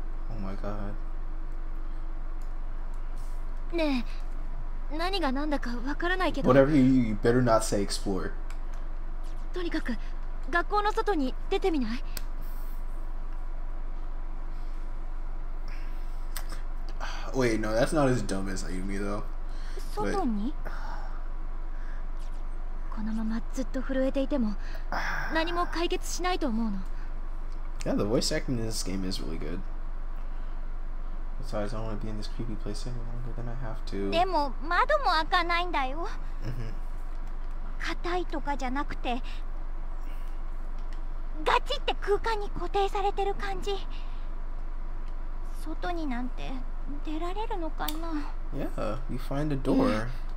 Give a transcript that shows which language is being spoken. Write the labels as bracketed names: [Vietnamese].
[English] Oh my god。 [Japanese] ねえ、何が何だかわからないけど、 [English] Whatever you, you better not say explore。 [Japanese] とにかく学校の外に出てみない？ [English] Wait, no, that's not as dumb as Ayumi, though. [Japanese] But... 外に？このままずっと震えていても何も解決しないと思うの。 [English] Yeah, the voice acting in this game is really good. That's why I don't want to be in this creepy place any longer than I have to. [Japanese] でも窓も開かないんだよ。硬いとかじゃなくてガチって空間に固定されてる感じ。外になんて出られるのかな。 [English] Yeah, you find a door.